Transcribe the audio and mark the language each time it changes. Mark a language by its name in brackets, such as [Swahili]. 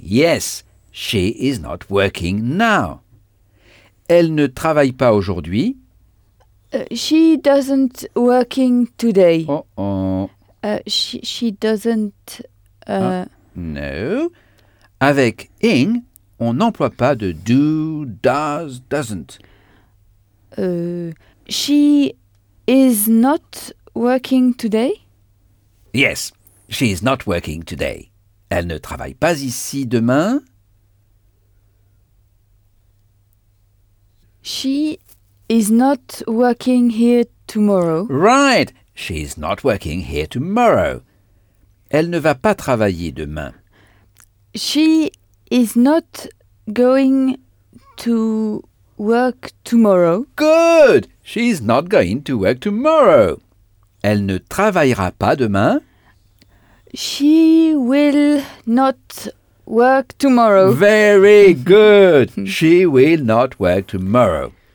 [English] Yes, she is not working now. [French] Elle ne travaille pas aujourd'hui. [English] She doesn't working today. Oh, oh. She doesn't... No. [French] Avec ing, on n'emploie pas de do, does, doesn't. [English] She is not working today? Yes, she is not working today. [French] Elle ne travaille pas ici demain. [English] She is not working here tomorrow. Right. She is not working here tomorrow. [French] Elle ne va pas travailler demain. [English] She is not going to work tomorrow. Good. She is not going to work tomorrow. [French] Elle ne travaillera pas demain. [English] She will not work tomorrow. Very good. She will not work tomorrow.